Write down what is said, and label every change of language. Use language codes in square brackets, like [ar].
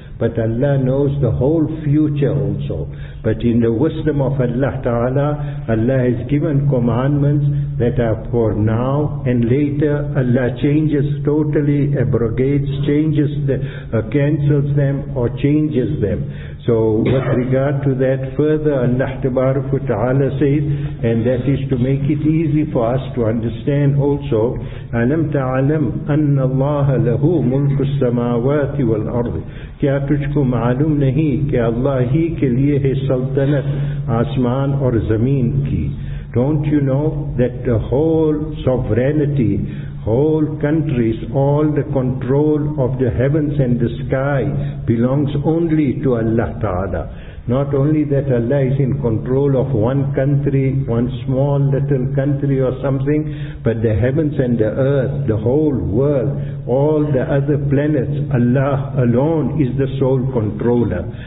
[en] But Allah knows the whole future also. But in the wisdom of Allah Ta'ala, Allah has given commandments that are for now, and later Allah changes, totally abrogates, changes, cancels them or changes them. So with regard to that, further Allah Ta'ala says, and that is to make it easy for us to understand also, [ar] أَلَمْ تَعَلَمْ أَنَّ اللَّهَ لَهُ مُلْكُ السَّمَاوَاتِ وَالْأَرْضِ. [ur] کیا تجھ کو معلوم نہیں کہ اللہ ہی کے لیے ہے سلطنت آسمان اور زمین کی. [en] Don't you know that the whole sovereignty, whole countries, all the control of the heavens and the sky belongs only to Allah Ta'ala. Not only that Allah is in control of one country, one small little country or something, but the heavens and the earth, the whole world, all the other planets, Allah alone is the sole controller.